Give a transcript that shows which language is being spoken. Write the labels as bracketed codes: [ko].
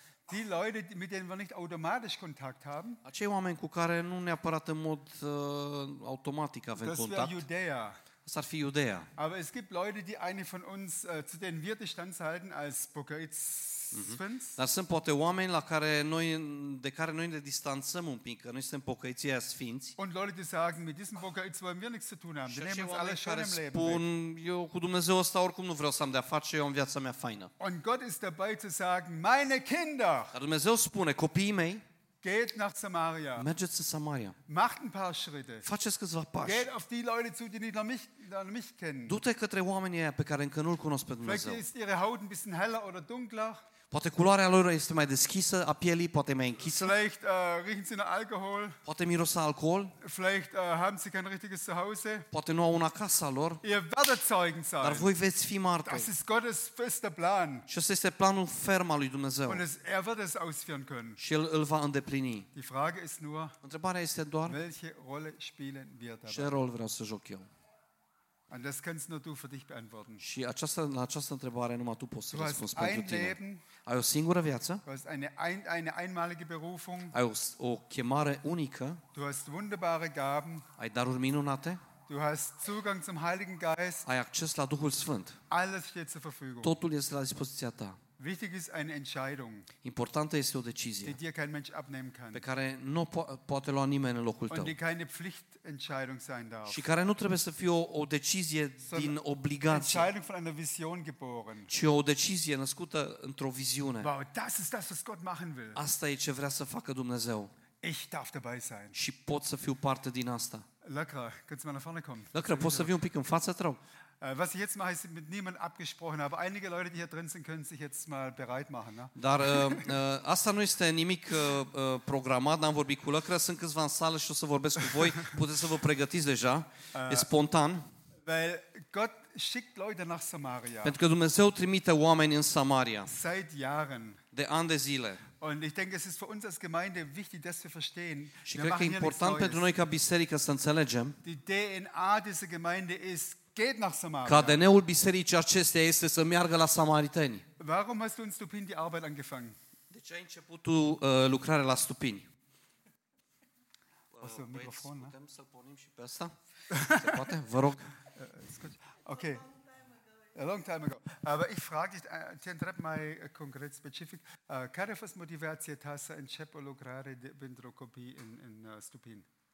[de] Die Leute, mit denen wir nicht automatisch Kontakt haben. [ro] Acei oameni cu care nu neapărat în mod automatic avem contact. [de] Das ist Judäa. Das ist Judäa. Aber es gibt Leute, die eine von uns, zu denen wir Distanz halten als Bukaritz. [ro] sfinți. Dar sunt poate oameni la care noi, de care noi ne distanțăm un pic, că noi suntem pocăiții aia sfinți. [de] Und Leute, die sagen, mit diesen Pocăiți wollen wir nichts zu tun haben. Wir nehmen uns alles schön im Leben. [ro] Spun, eu cu Dumnezeu ăsta oricum nu vreau să am de-a face, eu am viața mea faină. [de] Und Gott ist dabei zu sagen, meine Kinder. [ro] Dar Dumnezeu spune, copiii mei. [de] Geht nach Samaria. [ro] Mergeți în Samaria. [de] Macht ein paar Schritte. [ro] Faceți câțiva pași. [de] Geht auf die Leute zu, die nicht noch mich kennen. [ro] Du-te către oamenii aia pe care încă nu-l cunosc pe Dumnezeu. [de] Vielleicht ist ihre Haut ein bisschen heller oder dunkler. [ro] Poate culoarea lor este mai deschisă a pielii, poate mai închisă. [de] Vielleicht riechen sie nach Alkohol. [ro] Poate miroase alcool. [de] Vielleicht haben sie kein richtiges Zuhause. [ro] Poate nu au una casa lor. [de] Ihr werdet Zeugen sein. [ro] Dar voi veți fi martori. [de] Das ist Gottes fester Plan. [ro] Și acesta este planul ferm al lui Dumnezeu. [de] Und er wird es ausführen können. [ro] Și el îl va îndeplini. [de] Die Frage ist nur, [ro] întrebarea este doar, [de] welche Rolle spielen wir dabei? [ro] Ce rol vreau să joc eu? [de] And das kannst nur du für dich beantworten. [ro] Și această întrebare numai tu poți să răspunzi pentru tine. [de] Leben, [ro] ai o singură viață. [de] Du hast eine einmalige Berufung. [ro] Ai o chemare unică. [de] Du hast wunderbare Gaben. [ro] Ai daruri minunate. [de] Du hast Zugang zum Heiligen Geist. [ro] Ai acces la Duhul Sfânt. [de] Alles steht zur Verfügung. [ro] Totul este la dispoziția ta. [de] Wichtig ist eine Entscheidung. [ro] Importantă este o decizie. [de] Die dir kein Mensch abnehmen kann. [ro] Pe care nu poate lua nimeni în locul tău. [de] Und die keine Pflichtentscheidung sein darf. [ro] Și care nu trebuie să fie o decizie din obligație. [de] Entscheidung von einer Vision geboren. [ro] Ci o decizie născută într-o viziune. [de] Wow, das ist das, was Gott machen will. [ro] Asta e ce vrea să facă Dumnezeu. [de] Ich darf dabei sein. [ro] Și pot să fiu parte din asta. Lăcră, când să mă la [de] vorne kommt. [ro] Lăcră, poți să vii un pic în față, te rog. [de] Was ich jetzt mache, ist mit niemand abgesprochen, aber einige Leute, die hier drin sind, können sich jetzt mal bereit machen. Ne? [ro] Dar asta nu este nimic programat, n-am vorbit cu Lăcră, sunt câțiva în sală și o să vorbesc cu voi, puteți să vă pregătiți deja, e spontan. [de] Weil Gott schickt Leute nach Samaria. [ro] Pentru că Dumnezeu trimite oameni în Samaria. [de] Seit Jahren. [ro] De ani de zile. [de] Und ich denke, es ist für uns als Gemeinde wichtig, dass wir verstehen. [ro] Și cred că e important pentru noi ca biserică să înțelegem. [de] Die DNA dieser Gemeinde ist geht nach Samaria. [ro] Ca ADN-ul bisericii acesteia este să meargă la samariteni. [de] Warum hast du in Stupin die Arbeit angefangen? [ro] De ce ai început tu lucrarea la Stupini? O să un microfon, da? Putem să-l pornim și pe asta? Se poate? Vă rog. [en] Okay. A long time ago. [de] Aber ich frage dich, [ro] te întreb mai concret, specific, care a fost motivația ta să încep o lucrare pentru copii în Stupin?